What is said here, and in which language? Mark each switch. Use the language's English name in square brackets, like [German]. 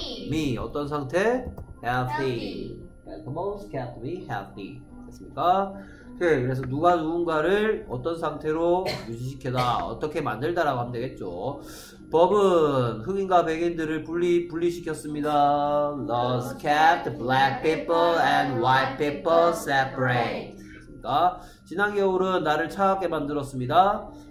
[Korean] me 어떤 상태? [English] Healthy. Animals can't be healthy. [Korean] 됐습니까? 오케이. 그래서 누가 누군가를 어떤 상태로 유지시키다, 어떻게 만들다라고 하면 되겠죠. 법은 흑인과 백인들을 분리시켰습니다. [English] Laws kept black people and white people separate. [Korean] 됐습니까? 지난 겨울은 나를 차갑게 만들었습니다.